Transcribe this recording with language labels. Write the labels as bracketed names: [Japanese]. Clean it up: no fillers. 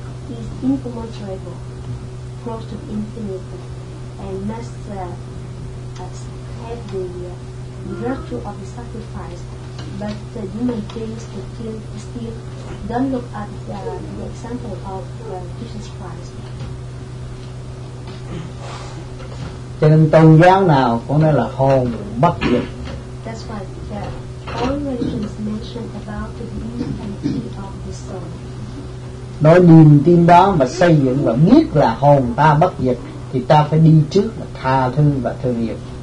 [English] is incommensurable, close to infinity, and must have the virtue of the sacrifice. But the human beings still don't look at the example of Jesus Christ. [Vietnamese] Cho nên tôn giáo nào cũng nói là hồn bất diệt. [English] That's why all religions mention about the immortality of the soul. [Vietnamese] Nói niềm tin đó mà xây dựng và biết là hồn ta bất diệt thì ta phải đi trước và tha thứ và thương yêu.